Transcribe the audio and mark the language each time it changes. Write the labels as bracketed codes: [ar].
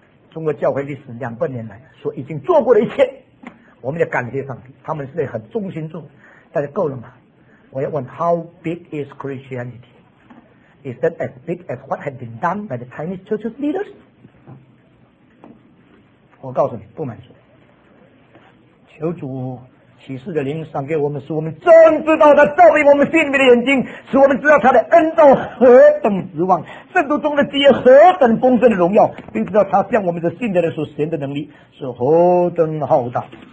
[zh] 中国教会历史2000年来所已经做过的一切，我们要感谢上帝，他们是很忠心做，大家够了吗？我要问 [en] How big is Christianity? Is that as big as what had been done by the Chinese church's leaders? [zh] 我告诉你不满足，求主启示的灵赏给我们，使我们真知道他照明我们心里面的眼睛，使我们知道他的恩道何等指望，圣徒中的基业何等丰盛的荣耀，并知道他向我们的信的人所显的能力是何等浩大。